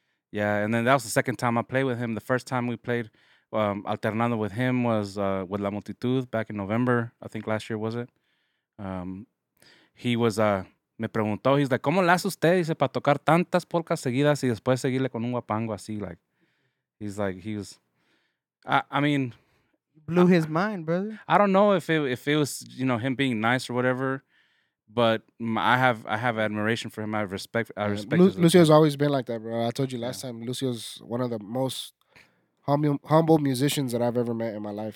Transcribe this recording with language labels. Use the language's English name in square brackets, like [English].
[English] Yeah, and then that was the second time I played with him. The first time we played, alternando with him was with La Multitud back in November, I think last year, was it? He was, [Spanish] me preguntó, [English] he's like, [Spanish] ¿cómo le hace usted? Dice, para tocar tantas polcas seguidas y después seguirle con un guapango así, like. [English] He's like, he was, I mean. Blew his mind, brother. I don't know if it was, you know, him being nice or whatever, but I have admiration for him. I have respect. Lucio's always been like that, bro. I told you last time, Lucio's one of the most humble musicians that I've ever met in my life.